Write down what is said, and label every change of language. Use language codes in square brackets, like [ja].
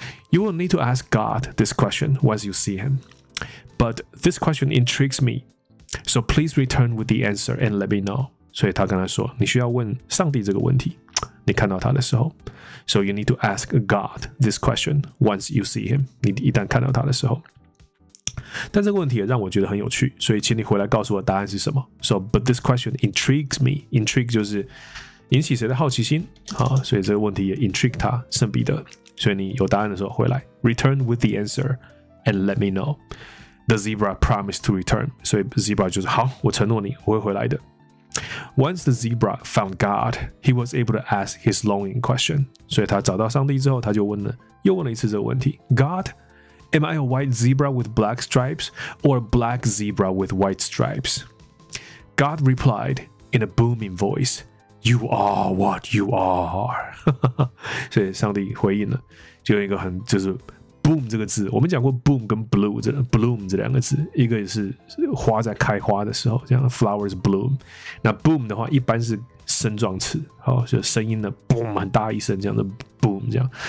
[en] You will need to ask God this question once you see him, but this question intrigues me, so please return with the answer and let me know。 [zh] 所以他跟他说，你需要问上帝这个问题。你看到他的时候 [en] ，so you need to ask God this question once you see him。 [zh] 你一旦看到他的时候。但这个问题也让我觉得很有趣，所以请你回来告诉我答案是什么。 [en] So, but this question intrigues me. [zh] Intrigue 就是引起谁的好奇心，好，所以这个问题也 intrigue 他，圣彼得。所以你有答案的时候回来 ， [en] return with the answer and let me know. The zebra promised to return. [zh] 所以 zebra 就是好，我承诺你，我会回来的。 [en] Once the zebra found God, he was able to ask his longing question. [zh] 所以他找到上帝之后，他就问了，又问了一次这个问题 ，God。 [en] Am I a white zebra with black stripes, or a black zebra with white stripes? God replied in a booming voice, "You are what you are." [zh] 所以上帝回应了，就用一个很就是 boom 这个字。我们讲过 boom 跟 blue 这 bloom 这两个字，一个是花在开花的时候，这样 [en] flowers bloom。 [zh] 那 boom 的话一般是声状词，好，就声音的 boom 很大一声这样的 boom 这样。